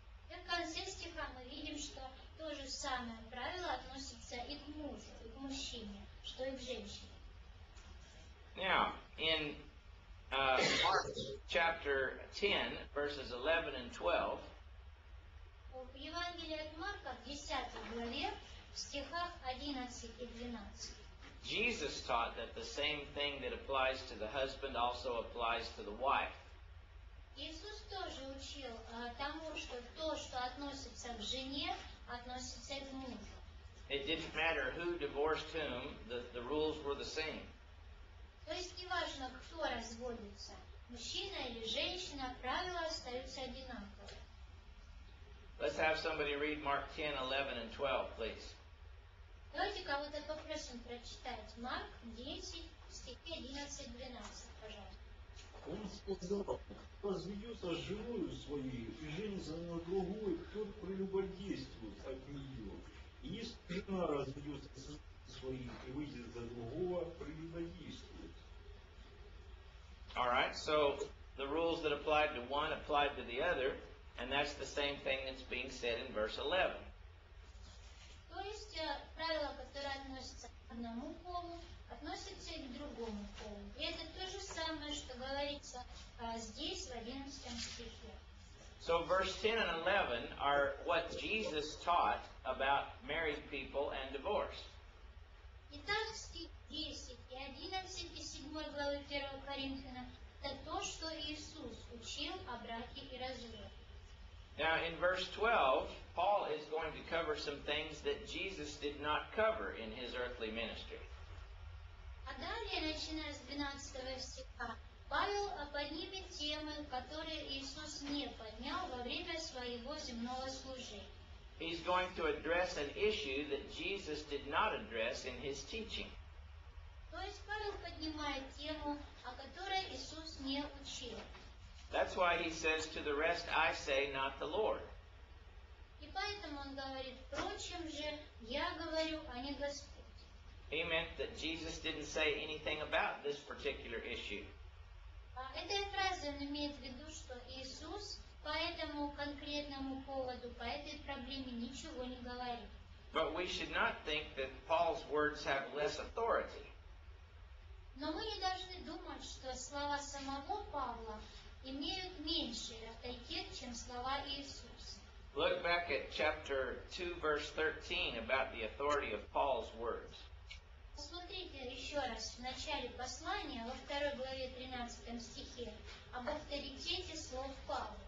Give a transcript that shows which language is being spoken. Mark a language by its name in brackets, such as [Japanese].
[Russian] В конце стиха мы видим, что то же самое правило относится и к мужу, и к мужчине, что и к женщине. [English] Now, in Mark chapter 10, verses 11 and 12, [Russian] в Евангелии от Марка, в 10 главе, в стихах 11 и 12, [English] Jesus taught that the same thing that applies to the husband also applies to the wife. [Russian] Иисус тоже учил тому, что то, что относится к жене, относится и к мужу. [English] It didn't matter who divorced whom, the rules were the same. [Russian] То есть не важно, кто разводится, мужчина или женщина, правила остаются одинаковые. [English] Let's have somebody read Mark 10, 11 and 12, please. [Russian] Давайте кого-то попросим прочитать. Марк 10, стихи 11, 12, пожалуйста. Он сказал, кто разведется с женою своей и женится на другой, тот прелюбодействует от нее. И если жена разведется со своей и выйдет за другого, прелюбодействует. [English] All right, so the rules that applied to one applied to the other, and that's the same thing that's being said in verse 11. [Russian] То есть правила, которые относятся к одному полу, относится и к другому полу. И это то же самое, что говорится здесь, в 11 стихе. [English] So verse 10 and 11 are what Jesus taught about married people and divorce. [Russian] Итак, стих 10 и 11 и 7 главы 1 Коринфяна – это то, что Иисус учил о браке и разводе. [English] Now in verse 12, Paul is going to cover some things that Jesus did not cover in his earthly ministry. [Russian] А далее, начиная с 12 стиха, Павел поднимет темы, которые Иисус не поднял во время своего земного служения. [English] He's going to address an issue that Jesus did not address in his teaching. [Russian] То есть Павел поднимает тему, о которой Иисус не учил. [English] That's why he says to the rest, I say, not the Lord. [Russian] И поэтому он говорит, впрочем же, я говорю, а не Господь. [English] He meant that Jesus didn't say anything about this particular issue. [Russian] Этой фразой он имеет в виду, что Иисус по этому конкретному поводу, по этой проблеме ничего не говорит. [English] But we should not think that Paul's words have less authority. [Russian] Но мы не должны думать, что слова самого Павла имеют меньший авторитет, чем слова Иисуса. [English] Look back at chapter 2, verse 13 about the authority of Paul's words. [Russian] Посмотрите еще раз в начале послания, во второй главе 13 стихе, об авторитете слов Павла.